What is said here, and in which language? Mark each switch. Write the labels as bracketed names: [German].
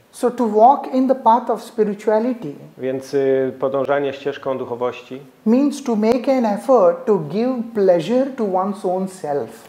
[English] So to walk in the path of spirituality. [Polish] Więc podążanie ścieżką duchowości [English] means to make an effort to give pleasure to one's own self.